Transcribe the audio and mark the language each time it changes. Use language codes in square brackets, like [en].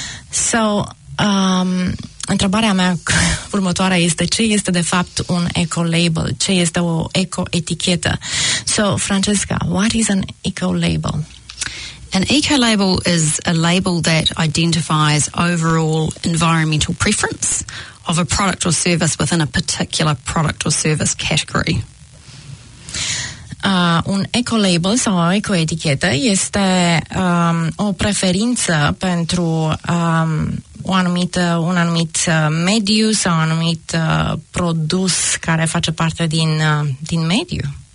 [ro] So, întrebarea mea următoarea este ce este de fapt un eco-label? Ce este o eco-etichetă? [en] So, Francesca, what is an eco-label? An eco-label is a label that identifies overall environmental preference of a product or service within a particular product or service category. [ro] Un eco-label sau o eco-etichetă este o preferință pentru o anumită, un anumit mediu sau un anumit produs care face parte din, din mediu.